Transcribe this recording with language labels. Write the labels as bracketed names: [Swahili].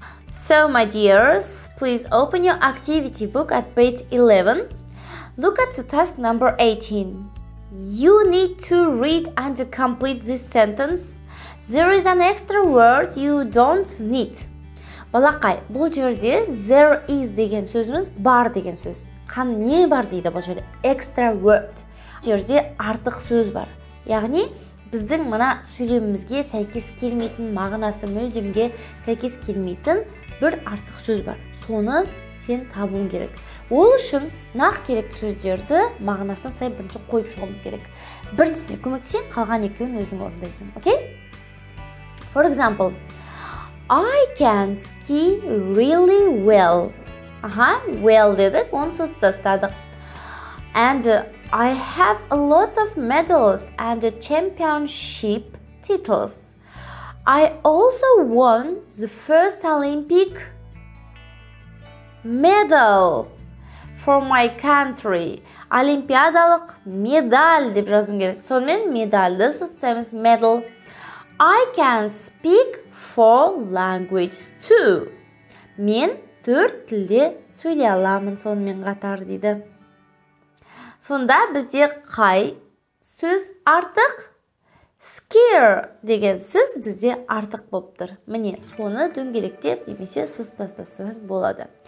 [English] So, my dears, please open your activity book at page 11. Look at the task number 18. You need to read and complete this sentence. There is an extra word you don't need. [Kazakh] Балақай, бұл жерде [English] there is [Kazakh] деген сөзіміз бар деген сөз. Қан не бар дейді бұл жерде? [English] Extra word. [Kazakh] Жерде артық сөз бар. Яғни, біздің мына сөйлемімізге сәйкес келмейтін, мағынасы мүлдемге сәйкес келмейтін бір артық сөз бар. Соны сен табуың керек. Ол үшін нақ керек сөздерді мағынасына сай бірінші қойып шығуымыз керек. Біріншісіне көмектесең, қалған екеуін өзің орындайсың. [English] Okay? For example, I can ski really well. [Kazakh] Аха, well дедік, онсыз тастадық. [English] And I have a lot of medals and championship titles. I also won the first Olympic medal for my country. [Kazakh] Олимпиадалық медаль деп жазуым керек. Сонымен медальді сызсаймыз medal. [English] I can speak four languages too. [Kazakh] Мен 4 тілде сөйлей аламын сонымен қатар дейді. Сонда бізде қай сөз артық? Skier деген сөз бізде артық болып тұр. Міне, соны дөңгелектеп немесе сызып тастасаң болады.